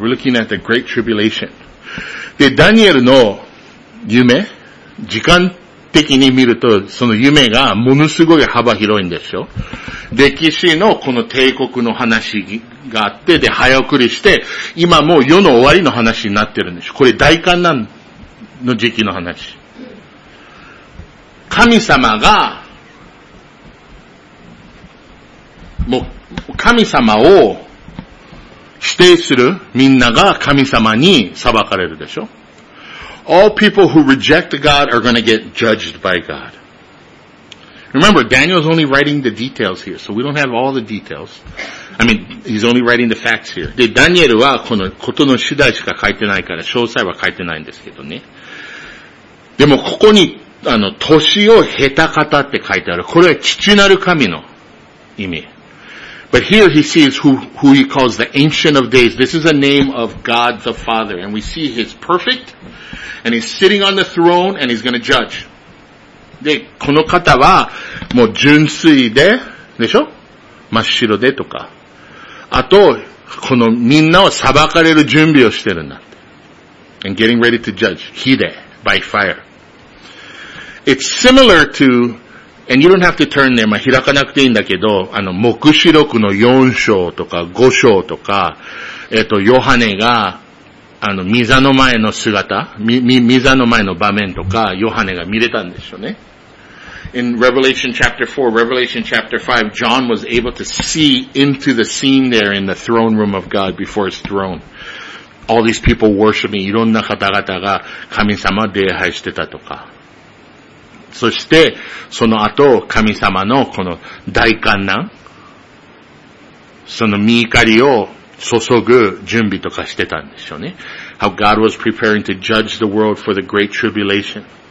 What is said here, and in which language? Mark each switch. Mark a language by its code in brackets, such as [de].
[en] We're looking at the Great Tribulation. [ja] で、ダニエルの夢、時間的に見ると、その夢がものすごい幅広いんですよ。歴史のこの帝国の話があって、で、早送りして、今もう世の終わりの話になってるんですよ。これ大患難の時期の話。神様が、もう、神様を、指定するみんなが神様に裁かれるでしょ。 [en] All people who reject God are going to get judged by God. Remember, Daniel's only writing the details here, so we don't have all the details. I mean, he's only writing the facts here. [ja] で、ダニエルはこのことの主題しか書いてないから、詳細は書いてないんですけどね。でもここに、年を経た方って書いてある。これは父なる神の意味。 [en] But here he sees who he calls the Ancient of Days. This is a name of God the Father. And we see he's perfect, and he's sitting on the throne, and he's going to judge. [ja] で、この方はもう純粋で、でしょ?真っ白でとか。あと、このみんなを裁かれる準備をしてるんだって。 [en] And getting ready to judge. He で、by fire. It's similar to... And you don't have to turn there. [ja] まあ、開かなくていいんだけど、黙示録の4章とか5章とか、ヨハネが、御座の前の姿、御座の前の場面とか、ヨハネが見れたんでしょうね。 [en] In Revelation chapter 4, Revelation chapter 5, John was able to see into the scene there in the throne room of God before his throne. All these people worshiping, [ja] いろんな方々が神様を礼拝してたとか。そしてその後神様のこの大患難その御怒りを注ぐ準備とかしてたんでしょうね。 [en] How God was preparing to judge the world for the great tribulation.